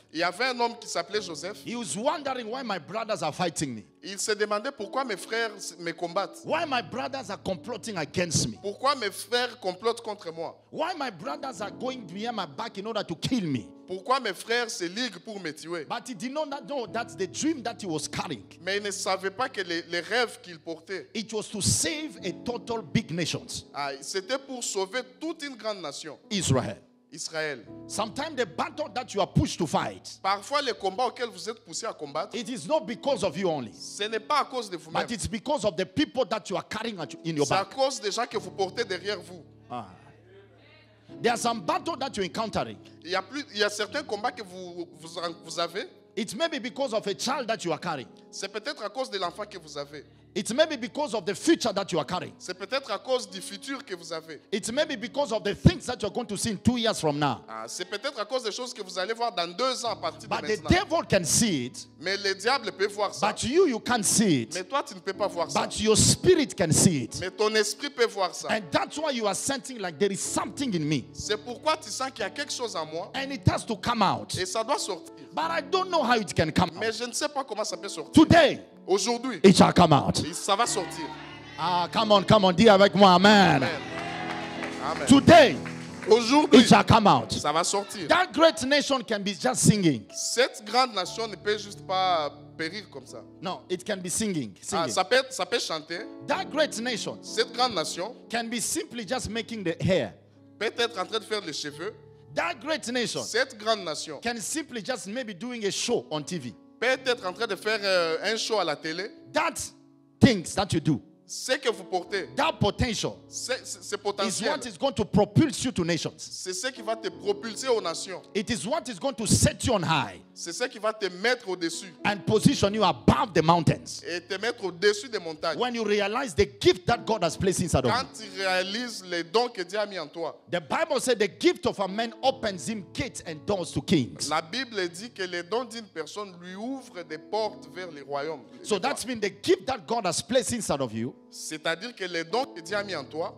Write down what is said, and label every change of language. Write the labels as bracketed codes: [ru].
[fr] Il y avait un homme qui s'appelait Joseph. [en] He was wondering why my brothers are fighting me. [fr] Il se demandait pourquoi mes frères me combattent. [en] Why my brothers are complotting against me. [fr] Pourquoi mes frères complotent contre moi. [en] Why my brothers are going behind my back in order to kill me. [fr] Pourquoi mes frères se liguent pour me tuer. [en] But he did not know that's the dream that he was carrying. [fr] Mais il ne savait pas que les rêves qu'il portait. [en] It was to save a total big nation. [fr] C'était pour sauver toute une grande nation. [en] Israel. [fr] Israël. [en] Sometimes the battle that you are pushed to fight. [fr] Parfois les combats auxquels vous êtes poussé à combattre. [en] It is not because of you only. [fr] Ce n'est pas à cause de vous-même. [en] But it's because of the people that you are carrying in your back. [fr] C'est à cause des gens que vous portez derrière vous. Ah. [en] There are some battles that you are encountering. [fr] Il y a certains combats que vous avez. [en] It may be because of a child that you are carrying. [fr] C'est peut-être à cause de l'enfant que vous avez. [en] It may be because of the future that you are carrying. [fr] C'est peut-être à cause du futur que vous avez. [en] It may be because of the things that you are going to see in 2 years from now. [fr] Ah, c'est peut-être à cause des choses que vous allez voir dans 2 ans à partir [en] but [fr] de maintenant. [en] But the devil can see it. [fr] Mais le diable peut voir ça. [en] But you can't see it. [fr] Mais toi, tu ne peux pas voir [en] but [fr] ça. [en] But your spirit can see it. [fr] Mais ton esprit peut voir ça. [en] And that's why you are sensing like there is something in me. [fr] C'est pourquoi tu sens qu'il y a quelque chose en moi. [en] And it has to come out. [fr] Et ça doit sortir. [en] But I don't know how it can come [fr] mais [en] out. [fr] Mais je ne sais pas comment ça peut sortir. [en] Today. [fr] Aujourd'hui, [en] it shall come out. [fr] Ça va sortir. Ah, [en] come on, [fr] dis avec moi, amen. Amen. [en] Today, [fr] aujourd'hui, [en] it shall come out. [fr] Ça va sortir. [en] That great nation can be just singing. [fr] Cette grande nation ne peut juste pas périr comme ça. [en] No, it can be singing. [fr] Ah, ça peut chanter. [en] That great nation, [fr] cette grande nation, [en] can be simply just making the hair. [fr] Peut-être en train de faire les cheveux. [en] That great nation, [fr] cette grande nation, [en] can simply just maybe doing a show on TV. [fr] Peut-être en train de faire un show à la télé. [en] That things that you do. [fr] Ce que vous portez. [en] That potential. [fr] Ce potentiel. [en] Is what is going to propulse you to nations. [fr] C'est ce qui va te propulser aux nations. [en] It is what is going to set you on high. [fr] C'est ce qui va te mettre au-dessus. [en] And position you above the mountains. [fr] Et te mettre au-dessus des montagnes. [en] When you realize the gift that God has placed inside of you. [fr] Quand tu réalises les dons que Dieu a mis en toi. [en] The Bible said the gift of a man opens him gates and doors to kings. [fr] La Bible dit que les dons d'une personne lui ouvre des portes vers les royaumes. [en] So that means the gift that God has placed inside of you. [fr] C'est-à-dire que les dons que Dieu a mis en toi.